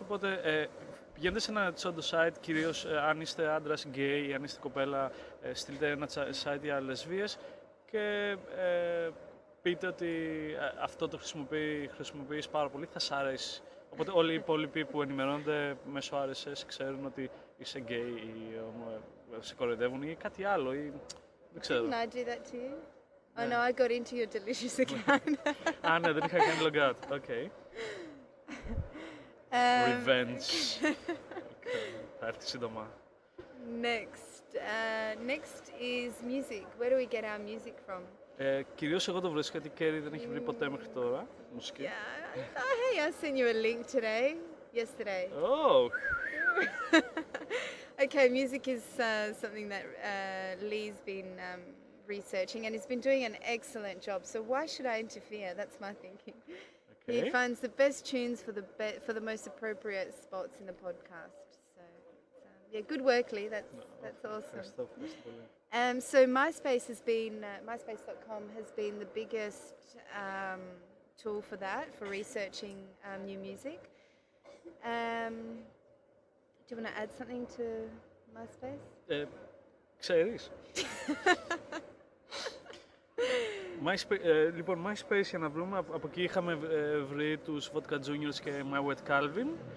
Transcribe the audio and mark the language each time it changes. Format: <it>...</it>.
<el>Οπότε, πηγαίνετε σε ένα τσόντο site, κυρίως αν είστε άντρας gay ή αν είστε κοπέλα, στείλτε ένα site για λεσβίες και πείτε ότι αυτό το χρησιμοποιείς πάρα πολύ, θα σ' αρέσει. Οπότε όλοι οι υπόλοιποι που ενημερώνονται μέσω RSS ξέρουν ότι είσαι gay ή σε κοροϊδεύουν ή κάτι άλλο ή δεν ξέρω.</el> <en>Didn't I do that to you? Yeah. Oh no, I got into your Delicious account.</en> <el>Α, ναι, δεν είχα κάνει log out.</el> <en>Okay. Revenge. Okay.</en> <el>Θα έρθει σύντομα.</el> <en>Next. Next is music. Where do we get our music from?</en> <el>Κυρίως εγώ το βρίσκω, γιατί η Κέρι δεν έχει βρει ποτέ μέχρι τώρα μουσική.</el> <en>Yeah, hey, I sent you a link today, yesterday. Oh! Okay, music is something that Lee's been researching, and he's been doing an excellent job, so why should I interfere? That's my thinking. Okay. He finds the best tunes for the for the most appropriate spots in the podcast. So, yeah, good work, Lee, that's awesome. So MySpace has been MySpace.com has been the biggest tool for that, for researching new music. Do you want to add something to MySpace?</en> <el>Ξέρεις. λοιπόν, MySpace, για να βρούμε, από εκεί είχαμε βρει τους Vodka Juniors και My Wet Calvin.</el>